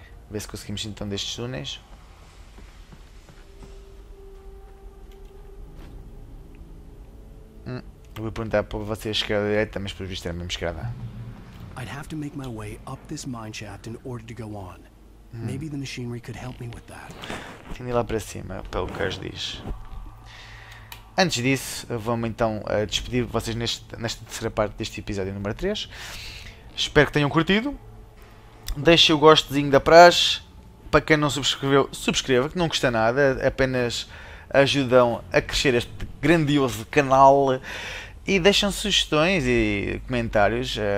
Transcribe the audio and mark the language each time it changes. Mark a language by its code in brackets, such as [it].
[pt] Ver se conseguimos então destes túneis. Eu ia perguntar para você a esquerda ou a direita, mas por visto era a mesma esquerda. [en] I'd have to make my way up this mine shaft in order to go on. Maybe the machinery could help me with that. [pt] Tenho de ir lá para cima, pelo que as diz. Antes disso, vamos então despedir vocês nesta terceira parte deste episódio número 3. Espero que tenham curtido. Deixa o gostozinho da praxe, para quem não subscreveu, subscreva, que não custa nada, apenas ajudam a crescer este grandioso canal, e deixam sugestões e comentários